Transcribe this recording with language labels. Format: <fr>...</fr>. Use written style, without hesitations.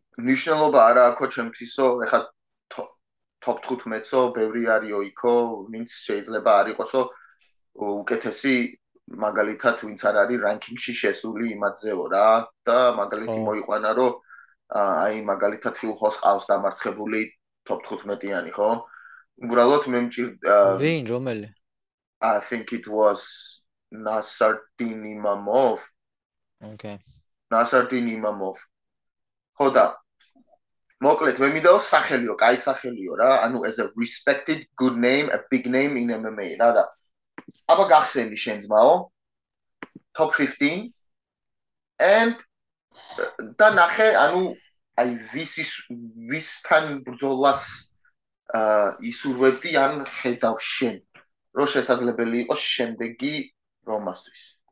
<ka>ნიშნულობა არა აქვს ჩემთვისო ახლა top 15-ო ბევრი არისო იქო ვინც შეიძლება არისო უკეთესი მაგალითად ვინც არ არის რანკინგში შესული იმadzeო რა და მაგალითი მოიყვანა რომ აი მაგალითად ფილ ჰოს ყავს დამარცხებული top 15-იანი ხო უბრალოდ მე მჭირდა ვინ რომელი</ka> <en>I think it was Nasardin Imamov. Okay. Nasardin Imamov.</en> <ka>ხოდა მოკლედ მე მინდა ის სახელიო, კაი სახელიო რა, ანუ</ka> <en>as a respected good name, a big name in MMA.</en> <ka>რა და აბა გახსენი შენ ძმაო.</ka> <en>Top 15 and</en> <ka>და ნახე, ანუ აი ვისთან ბრძოლას ისურვებდი ან ხედავ შენ რო შესაძლებელი იყოს შემდეგი რომასთვის?</ka>